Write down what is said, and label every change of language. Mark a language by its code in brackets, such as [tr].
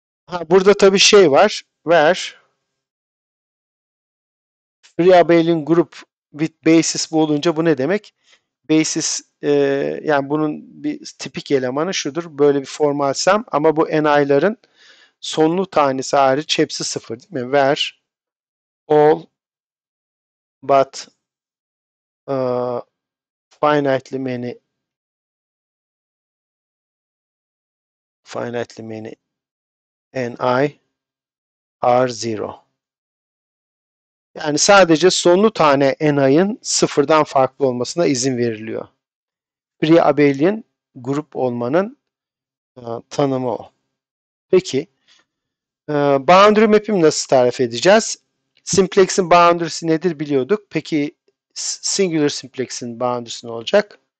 [tr] Burada tabii şey var. [en] Where free abelian group with basis [tr] bu olunca bu ne demek? Basis yani bunun bir tipik elemanı şudur. Böyle bir form alsam ama bu n'ların sonlu tanesi hariç hepsi sıfır değil mi? [en] Where all but finitely many n i are zero. [tr] Yani sadece sonlu tane n'ın sıfırdan farklı olmasına izin veriliyor. Free abelian grup olmanın tanımı o. Peki, boundary map'im nasıl tarif edeceğiz? Simplex'in boundary'si nedir biliyorduk. Peki, singular simplex'in boundary'si ne olacak?